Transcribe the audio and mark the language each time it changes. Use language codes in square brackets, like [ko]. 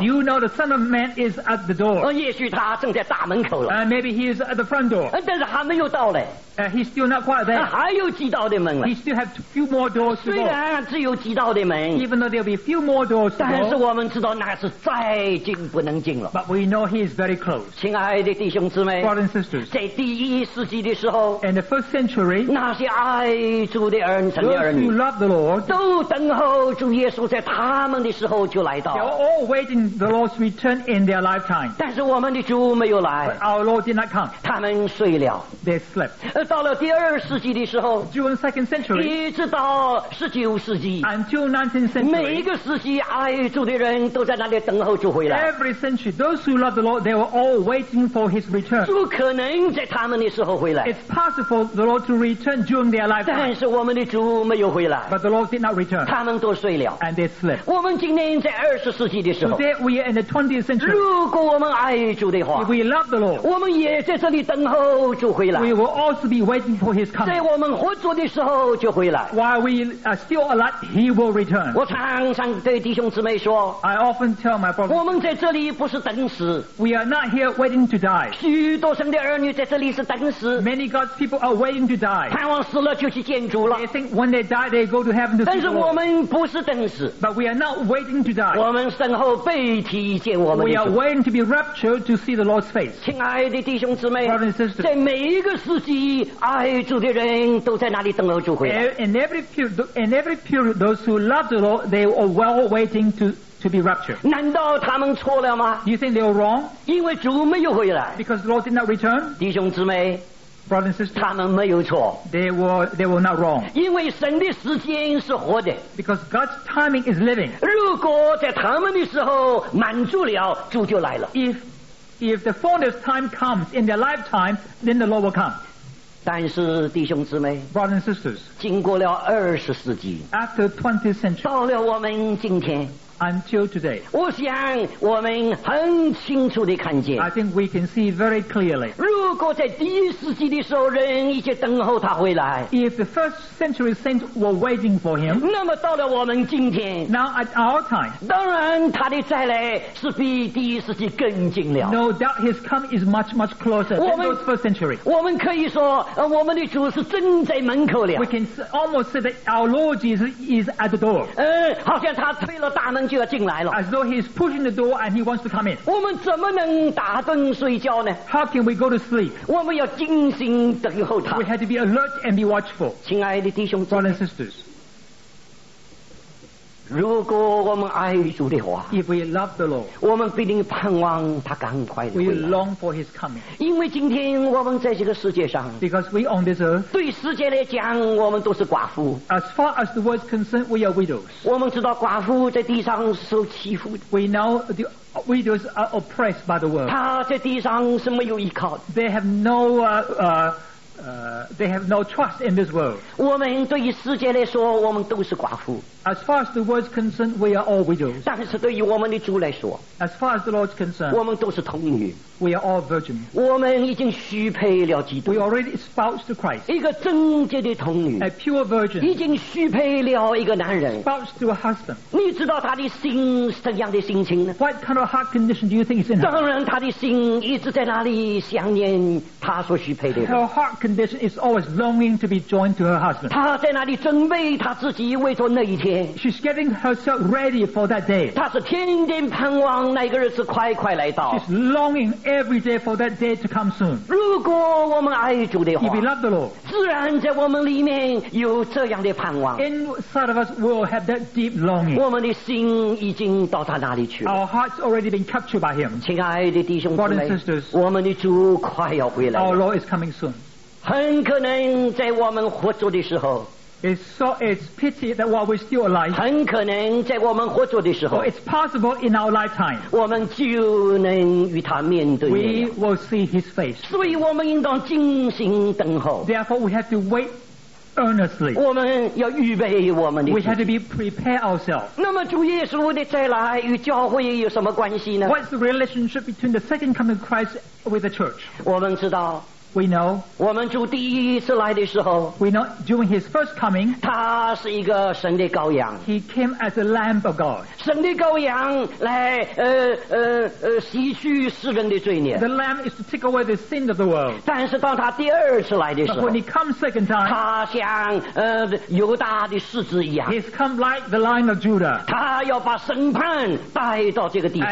[en] You know the Son of Man is at the door. [zh] 也许他正在大门口了。 [en] And maybe he is at the front door. [zh] 但是还没有到嘞。 [en] He's still not quite there. [zh] 还有几道的门了。 [en] He still has a few more doors to go. [zh] 虽然只有几道的门。 [en] Even though there'll be a few more doors to go. [zh] 但是我们知道那是再进不能进了。 [en] But we know he is very close. [zh] 亲爱的弟兄姊妹。 [en] Brothers and sisters. [zh] 在第一世纪的时候。 [en] In the first century. [zh] 那些爱主的儿女，神的儿女。 [en] Those who love the Lord. [zh] 都等候主耶稣在他们的时候就来到。 [en] They're all waiting the Lord's return in their lifetime. [zh] 但是我们的主没有来。 [en] But our Lord did not come. [zh] 他们睡了。 [en] They slept. [zh] 到了第二世纪的时候 [en] during the second century [zh] 一直到十九世纪 [en] until 19th century [zh] 每一个世纪爱主的人都在那里等候主回来 [en] every century those who love the Lord they were all waiting for his return [zh] 主可能在他们的时候回来 [en] it's possible for the Lord to return during their lifetime [zh] 但是我们的主没有回来 [en] but the Lord did not return [zh] 他们都睡了 [en] and they slept [zh] 我们今天在二十世纪的时候 [en] today we are in the 20th century [zh] 如果我们爱主的话 [en] if we love the Lord [zh] 我们也在这里等候主回来 [en] we will also beWaiting for his coming. [zh] 在我们活着的时候就回来。 [en] While we are still alive, he will return. [zh] 我常常对弟兄姊妹说。 [en] I often tell my brothers. [zh] 我们在这里不是等死。 [en] We are not here waiting to die. [zh] 许多神的儿女在这里是等死。 [en] Many God's people are waiting to die. [zh] 盼望死了就去见主了。 [en] They think when they die, they go to heaven to see the Lord. [zh] 但是我们不是等死。 [en] But we are not waiting to die. [zh] 我们身后背提见我们的主。 [en] We are waiting to be raptured to see the Lord's face. [zh] 亲爱的弟兄姊妹。 [en] Brothers and sisters. [zh] 在每一个世纪。爱主的人都在那里等候主回来。 [en] In every period, those who love the Lord, they are well waiting to be raptured. [zh] 难道他们错了吗？ [en] You think they were wrong? [zh] 因为主没有回来。 [en] Because the Lord did not return. [zh] 弟兄姊妹。 [en] Brothers and sisters, [zh] 他们没有错。 [en] They were not wrong. [zh] 因为神的时间是活的。 [en] Because God's timing is living. [zh] 如果在他们的时候满足了，主就来了。 [en] If the fullness time comes in their lifetime, then the Lord will come. [zh] 但是弟兄姊妹 [en] Brothers and sisters [zh] 经过了二十世纪 [en] After 20th century [zh] 到了我们今天 [en] Until today [zh] 我想我们很清楚地看见 [en] I think we can see very clearly [zh] 如果在第一世纪的时候人一直等候他回来 [en] If the first century saints were waiting for him [zh] 那么到了我们今天 [en] Now at our time [zh] 当然他的再来是比第一世纪更近了 [en] No doubt his coming is much much closer than those first century [zh] 我们可以说我们的主是正在门口了。 [en] We can almost say that our Lord Jesus is at the door. [zh] 好像他推了大门就要进来了。 [en] As though he is pushing the door and he wants to come in. [zh] 我们怎么能打盹睡觉呢？ [en] How can we go to sleep? [zh] 我们要精心等候他。 [en] We have to be alert and be watchful. [zh] 亲爱的弟兄姊妹。 [en] Brothers and sisters. [zh] 如果我们爱主的话。 [en] If we love the Lord. [zh] 我们必定盼望他赶快回来。 [en] We long for his coming. [zh] 因为今天我们在这个世界上。 [en] Because we on this earth. [zh] 对世界来讲我们都是寡妇。 [en] As far as the world's concerned, we are widows. [zh] 我们知道寡妇在地上受欺负。 [en] We know the widows are oppressed by the world. [zh] 她在地上是没有依靠。 [en] They have no, they have no trust in this world. [zh] 我们对于世界来说我们都是寡妇。 [en] As far as the world's concerned, we are all widows. [zh] 但是对于我们的主来说 [en] As far as the Lord's concerned, [zh] 我们都是童女。 [en] We are all virgins. [zh] 我们已经许配了基督。 [en] We already espoused to Christ. [zh] 一个贞洁的童女。 [en] A pure virgin. [zh] 已经许配了一个男人。 [en] Espoused to a husband. [zh] 你知道他的心是怎样的心情呢？ [en] What kind of heart condition do you think is in her? [zh] 当然他的心一直在那里想念他所许配的人。 [en] Her heart condition is always longing to be joined to her husband. [zh] 他在那里准备他自己为着那一天。 [en] She's getting herself ready for that day. [zh] 她是天天盼望那个日子快快来到。 [en] She's longing every day for that day to come soon. [zh] 如果我们爱主的话 [en] If we love the Lord, [zh] 自然在我们里面有这样的盼望。 [en] Inside of us, we'll have that deep longing. [zh] 我们的心已经到他那里去了。 [en] Our heart's already been captured by him. [zh] 亲爱的弟兄姊妹 [en] Brothers and sisters, [zh] 我们的主快要回来了。 [en] Our Lord is coming soon. [zh] 很可能在我们活着的时候 [en] It's pity that while we're still alive, [zh] 很可能在我们活着的时候 [en] it's possible in our lifetime, [zh] 我们就能与他面对面 [en] We will see his face. [zh] 所以我们应当精心等候 [en] Therefore, we have to wait earnestly. We had to be prepare ourselves. [zh] 那么主耶稣的再来与教会有什么关系呢? [en] What's the relationship between the second coming of Christ with the church? [zh] 我们知道 [en] We know. [zh] 我们主第一次来的时候 [en] We know during his first coming. [zh] 他是一个神的羔羊 [en] He came as a lamb of God. [zh] 神的羔羊来洗去世人的罪孽 [en] The lamb is to take away the sin of the world. [zh] 但是当他第二次来的时候 [en] But when he comes second time. [zh] 他像犹大的狮子一样 [en] He's come like the lion of Judah. [zh] 他要把审判带到这个地方